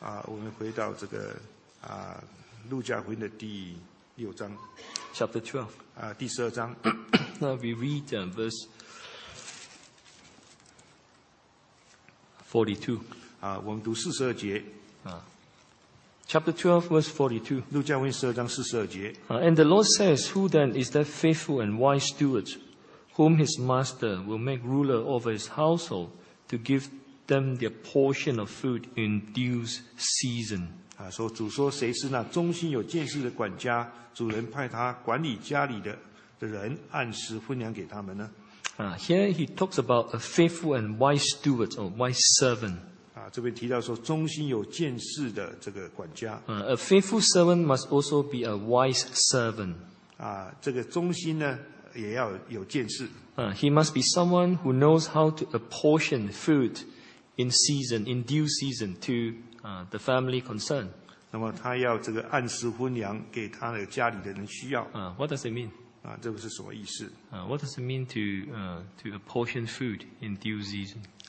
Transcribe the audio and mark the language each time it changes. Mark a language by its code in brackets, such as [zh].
[zh] 我们回到这个 路加福音的第 6章, [en] chapter 12. [zh] 第12章, [en] we read verse 42. [zh] 我们读42节, [en] Chapter 12, verse 42. [zh] 路加福音十二章四十二节。 [en] And the Lord says, Who then is that faithful and wise steward, whom his master will make ruler over his household to give them their portion of food in due season? [zh] 说主说谁是那忠心有见识的管家，主人派他管理家里的人，按时分粮给他们呢？ [en] Here he talks about a faithful and wise steward or wise servant. [zh] 这边提到说忠心有见识的这个管家。 [en] A faithful servant must also be a wise servant. [zh] 这个忠心呢也要有见识。 [en] He must be someone who knows how to apportion food in season, in due season to the family concerned. [zh] 那么他要这个按时分粮给他的家里的人需要。 [en] What does it mean? [zh] 这个是什么意思？ [en] What does it mean to apportion food in due season?